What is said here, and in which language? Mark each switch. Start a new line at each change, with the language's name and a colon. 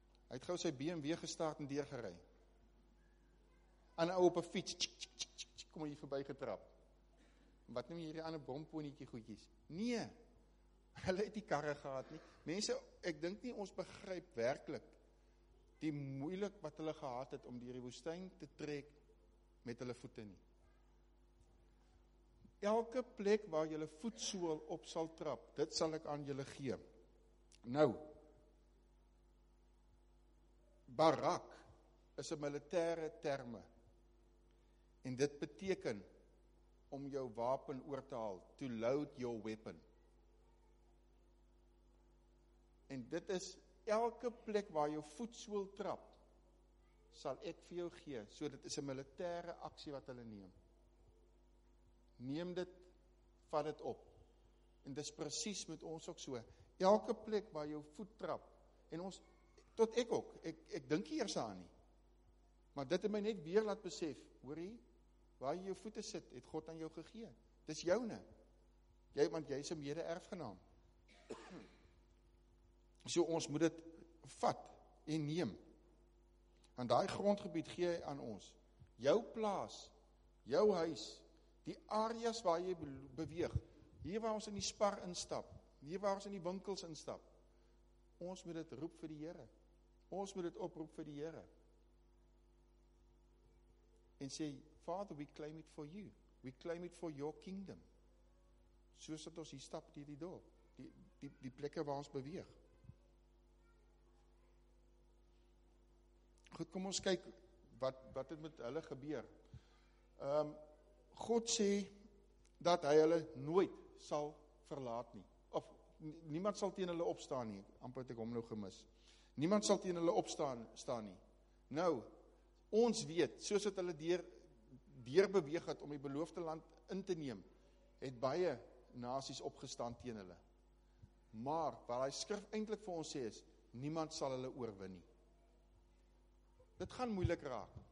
Afrikaans: Hy het gou sy BMW gestart en deurgery. Aan ou op 'n fiets, kom hy verby getrap. Wat noem jy hierdie ander bromponietjie goedjies? Nee, hulle het die karre gehad nie. Mense, ek dink nie ons begryp werklik die moeilik wat hulle gehad het om die woestyn te trek met hulle voete nie. Elke plek waar julle voetsool op sal trap, dit sal ek aan julle gee. Nou, barak is 'n militêre terme. En dit beteken om jou wapen oor te haal, to load your weapon. En dit is, elke plek waar jou voetsool trap, sal ek vir jou gee, so dit is 'n militêre aksie wat hulle neem. Neem dit, vat dit op. En dis precies met ons ook so, elke plek waar jou voet trap, en ons, tot ek ook, ek dink hier aan nie, maar dit het my net weer laat besef, hoor jy, waar jy jou voete sit, het God aan jou gegee. Dis joune. Jy, want jy is 'n mede-erfgenaam. So ons moet dit vat en neem. Want daai grondgebied gee hy aan ons. Jou plaas, jou huis, die areas waar jy beweeg, hier waar ons in die spar instap, hier waar ons in die winkels instap, ons moet dit roep vir die Here. Ons moet dit oproep vir die Here.
English: En sê, Father, we claim it for you. We claim it for your kingdom.
Afrikaans: Soos dat ons hier stap deur die dorp, die plekke waar ons beweeg. Goed, kom ons kyk wat het met hulle gebeur. God sê dat hy hulle nooit sal verlaat nie. Of niemand sal teen hulle opstaan nie. Amper het ek hom nou gemis. Niemand sal teen hulle opstaan nie. Nou, ons weet, soos dat hulle deur beweeg het om die beloofde land in te neem, het baie nasies opgestaan teen hulle. Maar, wat hy skrif eintlik vir ons sê is, niemand sal hulle oorwin nie. Dit gaan moeilik raak.